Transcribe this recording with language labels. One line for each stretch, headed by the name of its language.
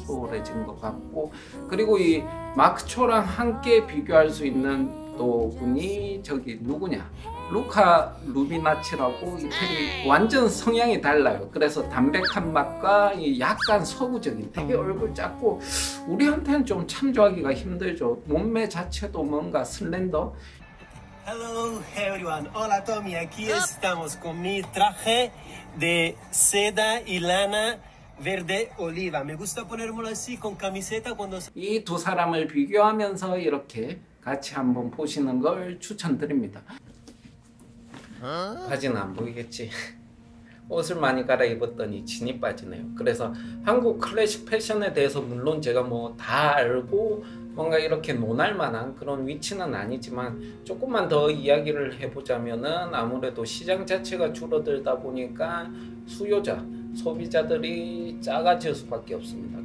Korean: 소홀해진 것 같고, 그리고 이 마크 초랑 함께 비교할 수 있는 또 분이 저기 누구냐, 루카 루비나치라고, 이태리 완전 성향이 달라요. 그래서 담백한 맛과 약간 서구적인 되게 얼굴 작고 우리한테는 좀 참조하기가 힘들죠. 몸매 자체도 뭔가 슬렌더.
English: Hello everyone.
Spanish: Hola
English: Tommy.
Spanish: Aquí estamos con mi traje de seda y lana verde oliva. Me gusta ponérmelo así con camiseta cuando
Korean: 이 두 사람을 비교하면서 이렇게 같이 한번 보시는 걸 추천드립니다. 바지는 안 보이겠지. 옷을 많이 갈아입었더니 진이 빠지네요. 그래서 한국 클래식 패션에 대해서 물론 제가 뭐 다 알고 뭔가 이렇게 논할 만한 그런 위치는 아니지만, 조금만 더 이야기를 해보자면은 아무래도 시장 자체가 줄어들다 보니까 수요자, 소비자들이 작아질 수밖에 없습니다.